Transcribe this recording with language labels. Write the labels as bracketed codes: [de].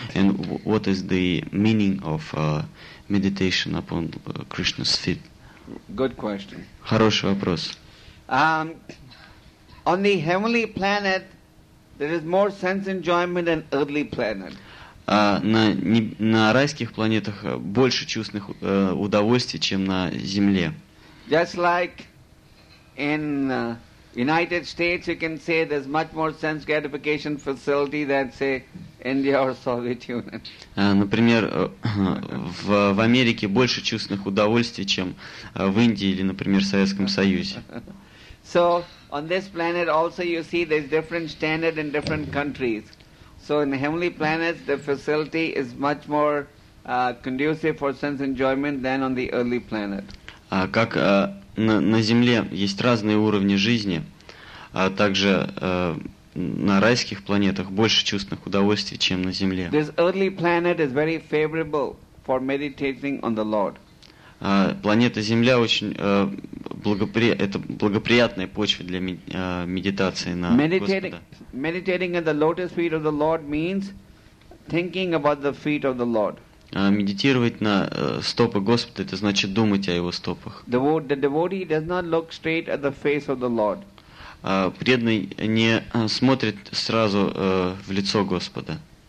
[en] And what is the meaning of meditation upon Krishna's feet? Good question. [ru] Хороший вопрос. [en] On the heavenly planet, there is more sense enjoyment than earthly planet. [ru] На райских планетах больше чувственных удовольствий, чем на Земле. [en] Just like in United States, you can say there's much more sense gratification facility than, say, India or Soviet Union. [ru] Например, в Америке больше чувственных удовольствий, чем в Индии или, например, в Советском Союзе. [en] So on this planet also you see there's different standard in different countries. So in heavenly planets, the facility is much more conducive for sense enjoyment than on the earthly planet. [ru] Как на Земле есть разные уровни жизни, а также на райских планетах больше чувственных удовольствий, чем на Земле. [en] This earthly planet is very favorable for meditating on the Lord. [ru] Планета Земля очень это благоприятная почва для медитации на Господа. [en] Meditating at the lotus feet of the Lord means thinking about the feet of the Lord. [ru] Медитировать на стопы Господа — это значит думать о его стопах. [en] The devotee does not look straight at the face of the Lord. [ru] Преданный не смотрит сразу в лицо Господа.